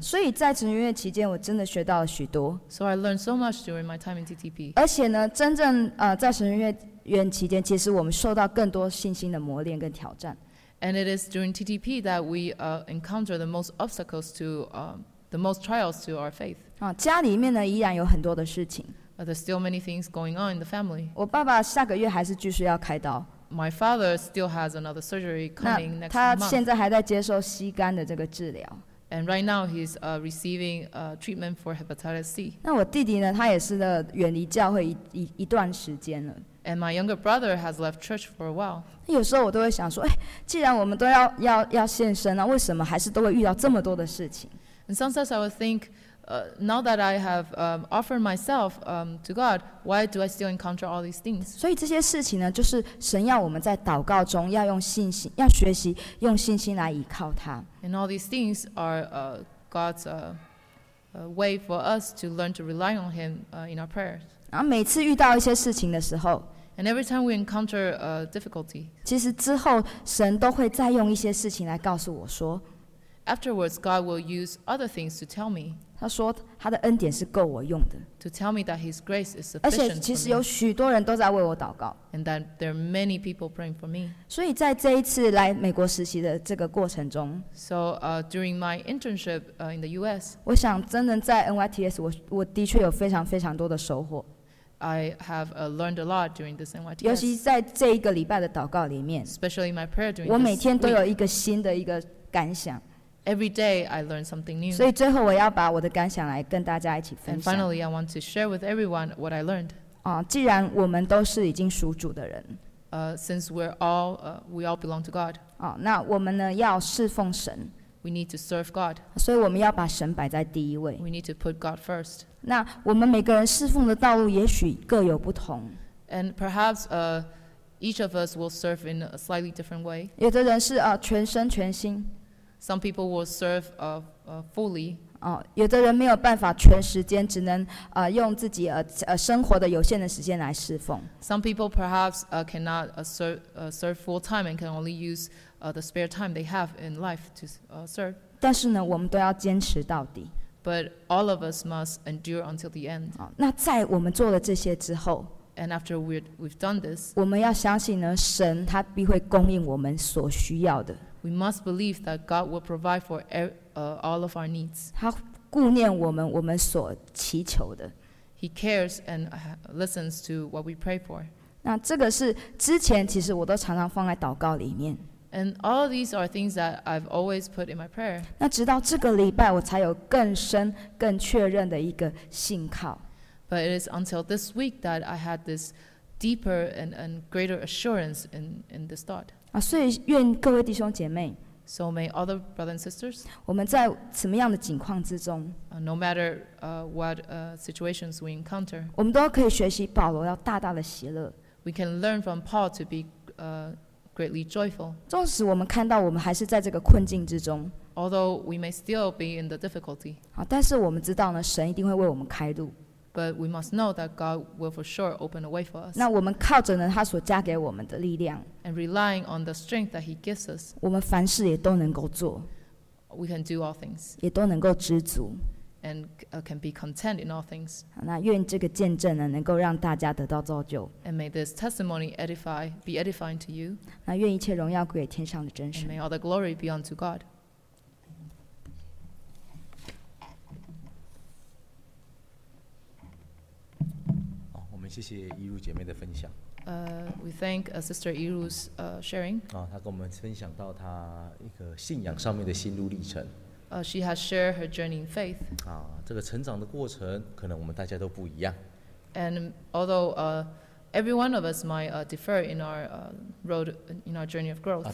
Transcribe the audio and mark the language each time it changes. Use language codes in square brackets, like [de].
[zh] 所以在神学院期间，我真的学到了许多。 [en] So I learned so much during my time in TTP. [zh] 而且呢，真正在神学院期间，其实我们受到更多信心的磨练跟挑战。 [en] And it is during TTP that we encounter the most obstacles to the most trials to our faith. [zh] 家里面呢依然有很多的事情。 [en] There's still many things going on in the family. [zh] 我爸爸下个月还是继续要开刀。 [en] My father still has another surgery coming next month. [zh] 他现在还在接受膝盖的这个治疗。 [en] And right now he's receiving a treatment for hepatitis C. [zh] 那我弟弟呢他也是的远离教会 一段时间了。 [en] And my younger brother has left church for a while. [zh] 有时候我都会想说，哎，既然我们都要献身了，为什么还是都会遇到这么多的事情？ [en] And sometimes I would think, now that I have offered myself to God, why do I still encounter all these things? [zh] 所以这些事情呢，就是神要我们在祷告中要用信心，要学习用信心来依靠他。 [en] And all these things are God's way for us to learn to rely on Him in our prayers. [zh] 然后每次遇到一些事情的时候 [en] And every time we encounter a difficulty, [zh] 其实之后神都会再用一些事情来告诉我说 [en] Afterwards, God will use other things to tell me [zh] 他说他的恩典是够我用的 [en] To tell me that his grace is sufficient for me [zh] 而且其实有许多人都在为我祷告 [en] And that there are many people praying for me [zh] 所以在这一次来美国实习的这个过程中 [en] So during my internship in the US [zh] 我想真的在 NYTS 我的确有非常非常多的收获 [en] I have learned a lot during this NYTS. [zh] 尤其在这一个礼拜的祷告里面 [en] especially in my prayer during this week. [zh] 我每天都有一个新的一个感想。 [en] Every day I learn something new. [zh] 所以最后我要把我的感想来跟大家一起分享。 [en] And finally, I want to share with everyone what I learned. [zh] 既然我们都是已经属主的人。 [en] Since we're all, we all belong to God. [zh] 那我们呢要侍奉神。 [en] We need to serve God. [zh] 所以我们要把神摆在第一位。 [en] We need to put God first. [zh] 那我们每个人侍奉的道路也许各有不同。 [en] And perhaps each of us will serve in a slightly different way. [zh] 有的人是全身全心。 [en] Some people will serve fully. [zh] 有的人没有办法全时间，只能用自己生活的有限的时间来侍奉。 [en] Some people perhaps cannot serve full time and can only use the spare time they have in life to serve. [zh] 但是呢，我们都要坚持到底。 [en] But all of us must endure until the end. [zh] 那在我们做了这些之后 [en] ，And after we've done this, [zh] 我们要相信呢，神他必会供应我们所需要的。 [en] We must believe that God will provide for all of our needs. [zh] 他顾念我们，我们所祈求的。 [en] He cares and listens to what we pray for. [zh] 那这个是之前其实我都常常放在祷告里面。 [en] And all of these are things that I've always put in my prayer. [zh] 那直到这个礼拜，我才有更深、更确认的一个信靠。 [en] But it is until this week that I had this deeper and greater assurance in this thought. [zh] 所以愿各位弟兄姐妹。 [en] So may all the brothers and sisters. [zh] 我们在什么样的境况之中 [en] ？No matter what situations we encounter. [zh] 我们都可以学习保罗要大大的喜乐。 [en] We can learn from Paul to be greatly joyful. [zh] 纵使我们看到我们还是在这个困境之中 [en] ，although we may still be in the difficulty. [zh] 但是我们知道呢，神一定会为我们开路。 [en] But we must know that God will for sure open a way for us. [zh] 那我们靠着呢他所加给我们的力量 [en] ，and relying on the strength that He gives us. [zh] 我们凡事也都能够做 [en] ，we can do all things. [zh] 也都能够知足 [en] ，and can be content in all things. [zh] 那愿这个见证呢能够让大家得到造就 [en] ，and may this testimony be edifying to you. [zh] 那愿一切荣耀归给天上的真神 [en] ，and may all the glory be unto God. [zh] 谢谢一如姐妹的分享。 [en] We thank Sister Yiru's sharing. [zh] 她跟我们分享到她一个信仰上面的心路历程。 [en] She has shared her journey in faith. [zh] 这个成长的过程可能我们大家都不一样。 [en] And although every one of us might differ in our road in our journey of growth.